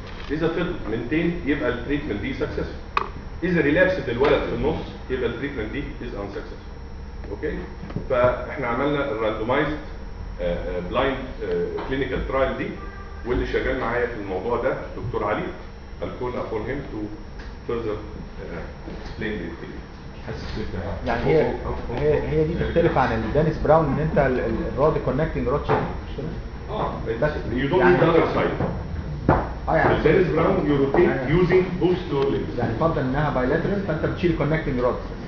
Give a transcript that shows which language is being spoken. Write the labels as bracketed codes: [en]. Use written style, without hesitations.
[ar] إذا فضل منتين يبقى التريتمنت دي سكسسفول. إذا ريلابس الولد في النص يبقى التريتمنت دي از انسكسسفول. أوكي؟ فإحنا عملنا الراندومايزد بلايند كلينيكال ترايل دي واللي شغال معايا في الموضوع ده دكتور علي. [en] I'll call upon him to further explain the thing. [ar] يعني هي دي تختلف عن الدانيس براون إن أنت الراد كونكتنج رود شيب. [en] You don't need other side. [ar] اه يعني [en] الدينيس brown you rotate using both lower limbs [ar] يعني فضل انها باي لاترال فانت بتشيل كونكتنج رودز